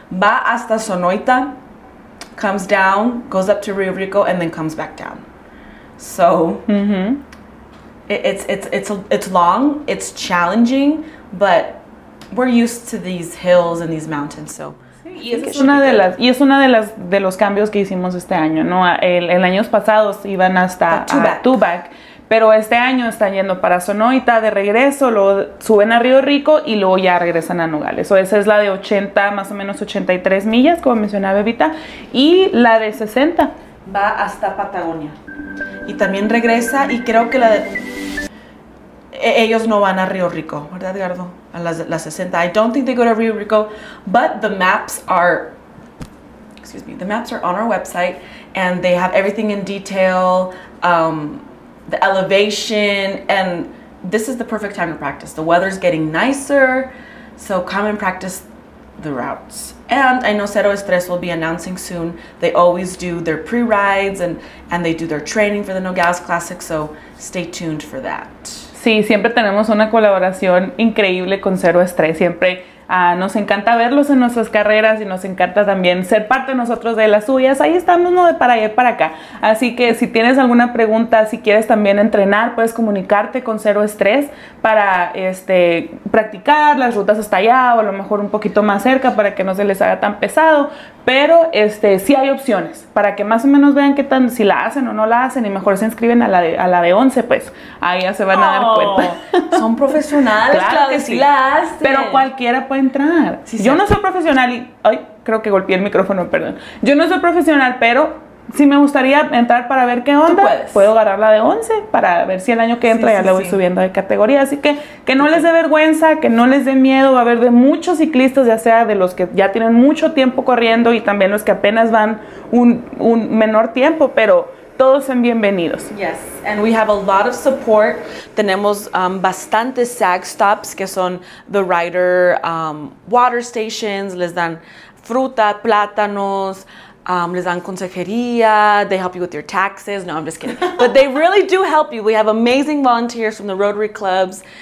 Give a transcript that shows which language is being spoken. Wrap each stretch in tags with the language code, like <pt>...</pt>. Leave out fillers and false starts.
<es>Va hasta Sonoita,</es> <en>comes down, goes up to Rio Rico, and then comes back down. So it's long. It's challenging, but we're used to these hills and these mountains, so.</en> <es>Y es una de los cambios que hicimos este año, ¿no? El año pasado iban hasta Tubac, pero este año están yendo para Sonoita de regreso, luego suben a Río Rico y luego ya regresan a Nogales. O esa es la de 80, más o menos 83 millas, como mencionaba Evita, y la de 60. Va hasta Patagonia. Y también regresa, y creo que la de... Ellos no van a Río Rico, ¿verdad, Edgardo? A las 60.</es> <en>I don't think they go to Rio Rico, but the maps are, excuse me, the maps are on our website, and they have everything in detail, the elevation, and this is the perfect time to practice. The weather's getting nicer, so come and practice the routes. And I know Cero Estrés will be announcing soon. They always do their pre-rides, and they do their training for the Nogales Classic, so stay tuned for that.</en> <es>Sí, siempre tenemos una colaboración increíble con Cero Estrés. Siempre nos encanta verlos en nuestras carreras y nos encanta también ser parte nosotros de las suyas. Ahí estamos, ¿no? De para allá y para acá. Así que si tienes alguna pregunta, si quieres también entrenar, puedes comunicarte con Cero Estrés para practicar las rutas hasta allá o a lo mejor un poquito más cerca para que no se les haga tan pesado. Pero sí hay opciones para que más o menos vean qué tan, si la hacen o no la hacen, y mejor se inscriben a la de 11, pues ahí ya se van a dar cuenta. Son profesionales, claro, que sí. Si la hacen. Pero cualquiera puede entrar. Sí, yo no soy profesional y, ay, creo que golpeé el micrófono, perdón. Yo no soy profesional, pero si me gustaría entrar para ver qué onda, puedo agarrar la de 11 para ver si el año que entra le voy subiendo de categoría. Así que no les dé vergüenza, que no les dé miedo. Va a haber de muchos ciclistas, ya sea de los que ya tienen mucho tiempo corriendo y también los que apenas van un menor tiempo, pero todos son bienvenidos.</es> <en>Yes, and we have a lot of support.</en> <es>Tenemos bastantes SAG stops, que son</es> <en>the rider water stations.</en> <es>Les dan fruta, plátanos. Les dan consejería,</es> <en>they help you with your taxes. No, I'm just kidding. But they really do help you. We have amazing volunteers from the Rotary Clubs.</en>